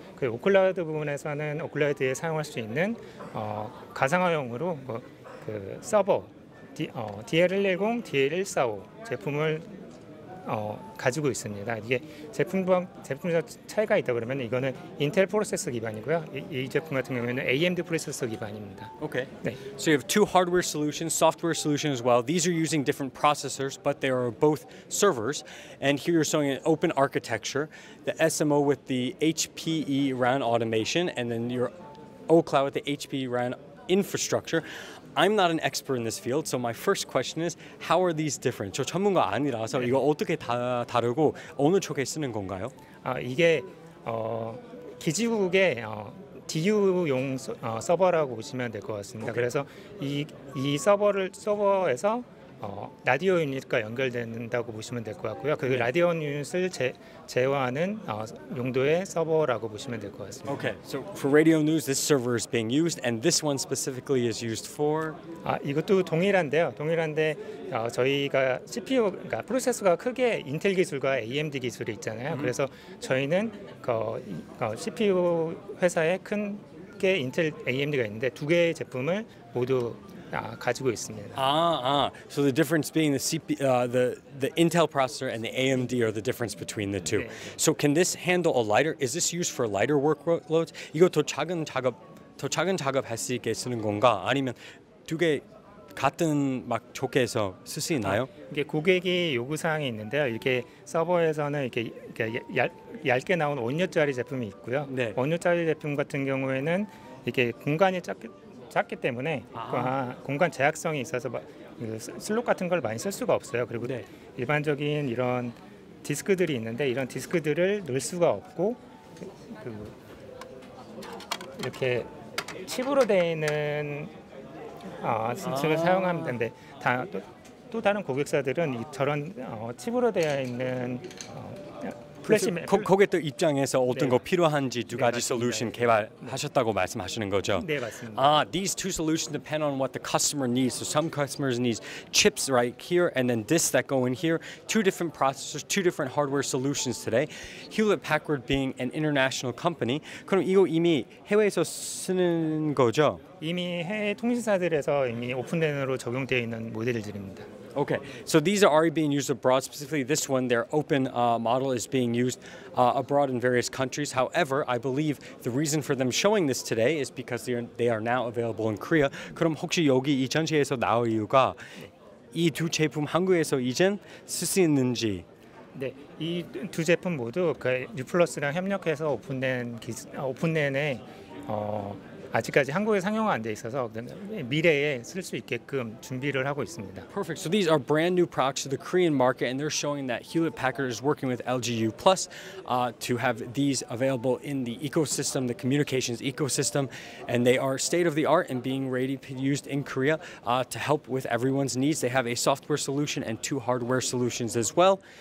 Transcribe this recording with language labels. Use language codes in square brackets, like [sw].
[ko] 그 오클라우드 부분에서는 오클라우드에 사용할 수 있는 가상화용으로 그 서버 DL110, DL145 제품을 가지고 있습니다. 이게 제품적 차이가 있다 그러면 이거는 인텔 프로세서 기반이고요. 이 제품 같은 경우에는 AMD 프로세서 기반입니다. Okay. 네. [en] So you have two hardware solutions, software solutions as well. These are using different processors, but they are both servers. And here you're showing an open architecture, the SMO with the HPE RAN automation, and then your OCloud with the HPE RAN infrastructure. I'm not an expert in this field, so my first question is, how are these different? [ko] 저 전문가 아니라서 이거 어떻게 다 다르고 어느 쪽에 쓰는 건가요? 이게 기지국의 DU용 서버라고 보시면 될 것 같습니다. 그래서 이 서버를 서버에서 라디오 유닛과 연결된다고 보시면 될 것 같고요. 그 라디오 유닛을 제어하는 용도의 서버라고 보시면 될 것 같습니다. Okay. [en] So for radio news, this server is being used, and this one specifically is used for. [ko] 이것도 동일한데요. 동일한데 저희가 CPU 그러니까 프로세서가 크게 인텔 기술과 AMD 기술이 있잖아요. 그래서 저희는 CPU 회사의 큰 게 인텔 AMD가 있는데 두 개의 제품을 모두 가지고 있습니다. [en] So the difference being the CPU, the Intel processor and the AMD are the difference between the two. 네. So can this handle a lighter? Is this used for lighter workloads? [ko] 이거 더 작은 작업 할 수 있게 쓰는 건가? 아니면 두 개 같은 막 조개에서 쓸 수 있나요? 이게 고객이 요구 사항이 있는데요. 이렇게 서버에서는 이렇게 얇게 나온 5인치짜리 제품이 있고요. 네. 5인치짜리 제품 같은 경우에는 이렇게 공간이 작기 때문에 공간 제약성이 있어서 슬롯 같은 걸 많이 쓸 수가 없어요. 그리고 네. 일반적인 이런 디스크들이 있는데 이런 디스크들을 넣을 수가 없고 이렇게 칩으로 되어 있는 스위치를 사용하면 되는데 또 다른 고객사들은 저런 칩으로 되어 있는 고객들 입장에서 어떤 네. 거 필요한지 두 가지 솔루션 네, 개발하셨다고 네. 말씀하시는 거죠? 네, 맞습니다. [en] These two solutions depend on what the customer needs. So some customers need chips right here and then disks that go in here. Two different processors, two different hardware solutions today. Hewlett-Packard being an international company. [ko] 그럼 이거 이미 해외에서 쓰는 거죠? 이미 해외 통신사들에서 이미 오픈랜으로 적용되어 있는 모델들입니다. [en] Okay, so these are already being used abroad, specifically this one, their open model is being used abroad in various countries. However, I believe the reason for them showing this today is because they are now available in Korea. [ko] 그럼 혹시 여기 이 전시에서 나올 이유가 이 두 제품 한국에서 이젠 쓸 수 있는지? 네, 이 두 제품 모두 유플러스랑 협력해서 오픈랜에 아직까지 한국에 상용화 안 돼 있어서 미래에 쓸 수 있게끔 준비를 하고 있습니다. [en] Perfect. So these are brand new products to the Korean market, and they're showing that Hewlett-Packard is working with LG Uplus to have these available in the ecosystem, the communications ecosystem, and they are state of the art and being ready to be used in Korea to help with everyone's needs. They have a software solution and two hardware solutions as well.